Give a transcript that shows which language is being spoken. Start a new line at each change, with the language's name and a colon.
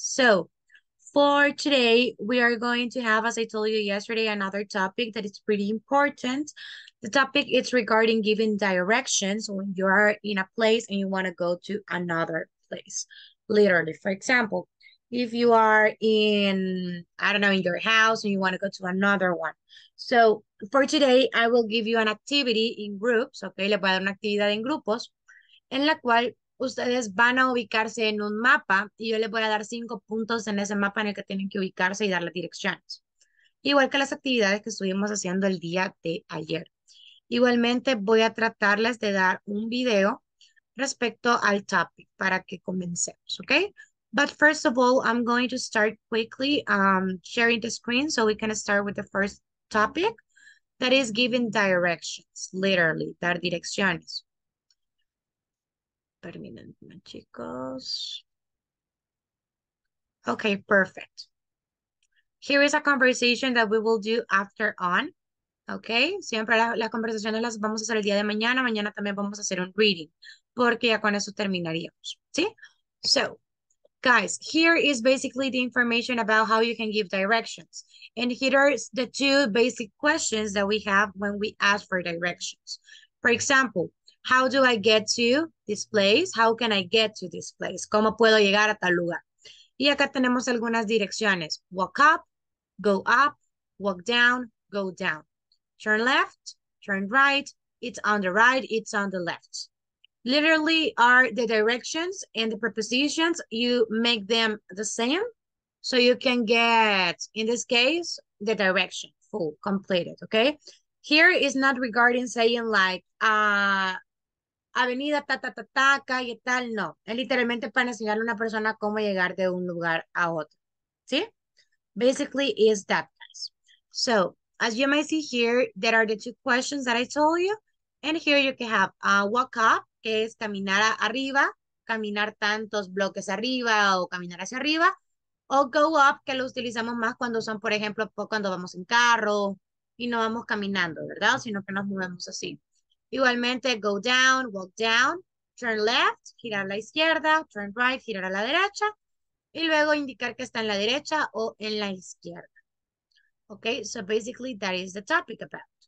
English: So for today, we are going to have, as I told you yesterday, another topic that is pretty important. The topic is regarding giving directions when you are in a place and you want to go to another place. Literally, for example, if you are in, I don't know, in your house and you want to go to another one. So for today, I will give you an activity in groups, okay?
Spanish: Le voy a dar una actividad en grupos, en la cual ustedes van a ubicarse en un mapa y yo les voy a dar 5 puntos en ese mapa en el que tienen que ubicarse y dar las direcciones. Igual que las actividades que estuvimos haciendo el día de ayer. Igualmente, voy a tratarles de dar un video respecto al topic para que comencemos, ¿ok?
English: But first of all, I'm going to start quickly sharing the screen so we can start with the first topic that is giving directions, literally,
Spanish: dar direcciones. Permítanme, chicos.
English: Okay, perfect. Here is a conversation that we will do after on.
Spanish: Okay, siempre las conversaciones las vamos a hacer el día de mañana. Mañana también vamos a hacer un reading porque ya con eso terminaríamos. ¿Sí?
English: So, guys, here is basically the information about how you can give directions. And here are the two basic questions that we have when we ask for directions. For example, how do I get to this place? How can I get to this place?
Spanish: ¿Cómo puedo llegar a tal lugar? Y acá tenemos algunas direcciones.
English: Walk up, go down. Turn left, turn right, it's on the right, it's on the left. Literally are the directions and the prepositions. You make them the same so you can get, in this case, the direction full, completed, okay? Here is not regarding saying like,
Spanish: avenida ta ta ta ta, calle tal, no. Es literalmente para enseñarle a una persona cómo llegar de un lugar a otro, ¿sí?
English: Basically is that, guys. So, as you may see here, there are the two questions that I told you. And here you can have a walk up,
Spanish: que es caminar arriba, caminar tantos bloques arriba o caminar hacia arriba, o go up, que lo utilizamos más cuando son, por ejemplo, cuando vamos en carro y no vamos caminando, ¿verdad? Sino que nos movemos así. Igualmente,
English: go down, walk down, turn left,
Spanish: girar a la izquierda,
English: turn right,
Spanish: girar a la derecha, y luego indicar que está en la derecha o en la izquierda.
English: Ok, so basically that is the topic about.